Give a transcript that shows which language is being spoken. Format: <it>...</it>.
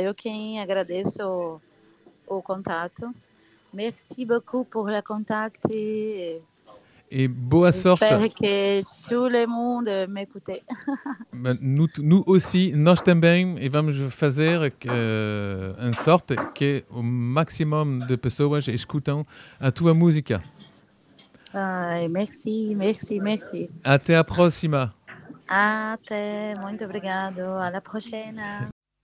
<pt>Eu quem agradeço o contato.</pt> <fr>Merci beaucoup pour le contact. Et</fr> <pt>boa sorte.</pt> <fr>J'espère que tout le monde m'écoute. Nous aussi,</fr> <pt>nós também, e vamos fazer em sorte que o maximum de pessoas escutam a tua música.</pt> <fr>Merci.</fr> <pt>Até a próxima. Até, muito obrigado.</pt> <fr>À la prochaine.</fr>